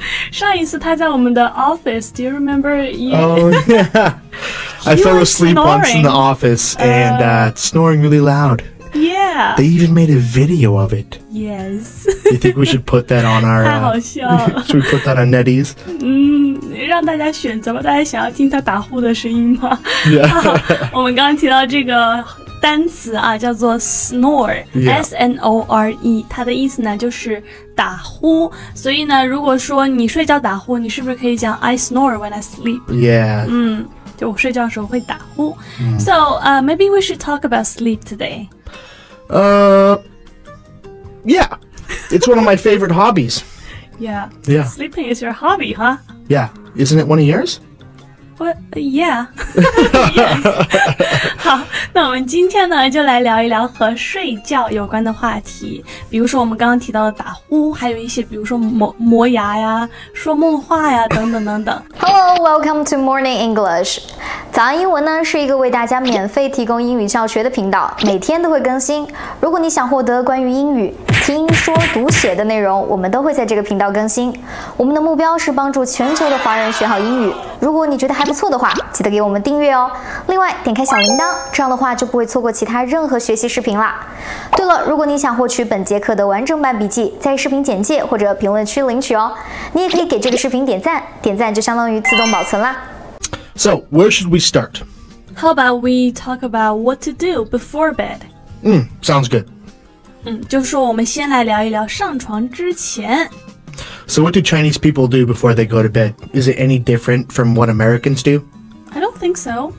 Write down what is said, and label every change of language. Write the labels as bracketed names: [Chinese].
[Chinese] 上一次他在我们的 office, [English] do you remember? Oh, yeah. I fell asleep once in the office and snoring really loud. Yeah. They even made a video of it. Yes. You think we should put that on our... [Chinese] 太好笑了。 [English] Should we put that on NetEase? [Chinese] 让大家选择吧，大家想要听他打呼的声音吗？ [English] Yeah. [Chinese] 我们刚刚提到这个单词啊，叫做 snore,、 [English] yeah. [Chinese] S-N-O-R-E, 它的意思呢就是打呼。所以呢，如果说你睡觉打呼，你是不是可以讲 [English] I snore when I sleep? Yeah. [Chinese] 就我睡觉的时候会打呼。 [English] So, maybe we should talk about sleep today. Yeah. It's one of my favorite hobbies. Yeah. Yeah. Sleeping is your hobby, huh? Yeah. Isn't it one of yours? What? Yeah. Yes. [Chinese] 好，那我们今天呢，就来聊一聊和睡觉有关的话题。比如说我们刚刚提到的打呼，还有一些比如说磨牙呀，说梦话呀，等等等等。 [English] Hello, welcome to Morning English. [Chinese] 早安英文呢，是一个为大家免费提供英语教学的频道，每天都会更新。如果你想获得关于英语听说读写的内容，我们都会在这个频道更新。我们的目标是帮助全球的华人学好英语。如果你觉得还不错的话，记得给我们订阅哦。另外，点开小铃铛，这样的话就不会错过其他任何学习视频了。对了，如果你想获取本节课的完整版笔记，在视频简介或者评论区领取哦。你也可以给这个视频点赞，点赞就相当于自动保存啦。 [English] So, where should we start? How about we talk about what to do before bed? Sounds good. [Chinese] 就说我们先来聊一聊上床之前。 [English] So what do Chinese people do before they go to bed? Is it any different from what Americans do? I don't think so.